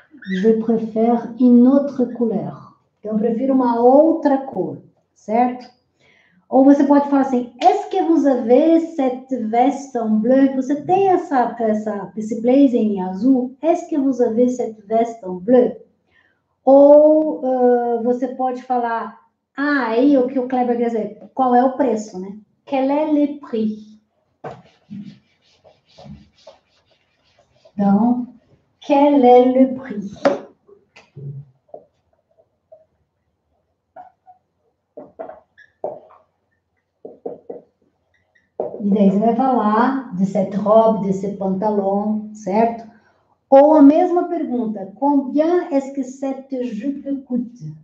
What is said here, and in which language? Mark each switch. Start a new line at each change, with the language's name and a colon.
French: Je préfère une autre couleur.
Portuguese: Então, eu prefiro uma outra cor, certo? Ou você pode falar assim,
French: est-ce que vous avez cette veste en bleu?
Portuguese: Você tem esse blazer em azul?
French: Est-ce que vous avez cette veste en bleu?
Portuguese: Ou você pode falar, ah, aí o que o Kleber quer dizer, qual é o preço, né?
French: Quel est le prix? Então, quel est le prix?
Portuguese: E daí você vai falar
French: de cette robe, de ce pantalon,
Portuguese: certo? Ou a mesma pergunta,
French: combien est-ce que cette jupe coûte?